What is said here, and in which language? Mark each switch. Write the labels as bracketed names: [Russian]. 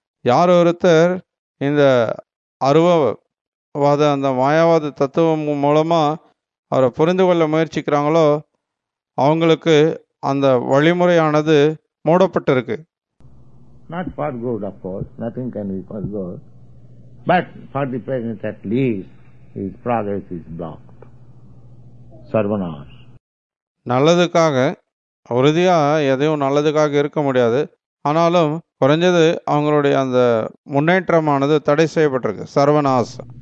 [Tamil] யார் ஒருத்தர் இந்த அருவவாத அந்த மாயாவாத தத்துவம் மூலமா அவரை புரிந்து கொள்ள முயற்சிக்கிறாங்களோ அவங்களுக்கு அந்த வழிமுறையானது மூடப்பட்டிருக்கு. [English] Not for good, of course. Nothing can be for good. But for the present, at least, his progress is blocked. Sarvanas. [Tamil] நல்லதுக்காக உறுதியா எதையும் நல்லதுக்காக இருக்க முடியாது. ஆனாலும் குறைஞ்சது அவங்களுடைய அந்த முன்னேற்றமானது தடை செய்யப்பட்டிருக்கு. சர்வநாஸ்.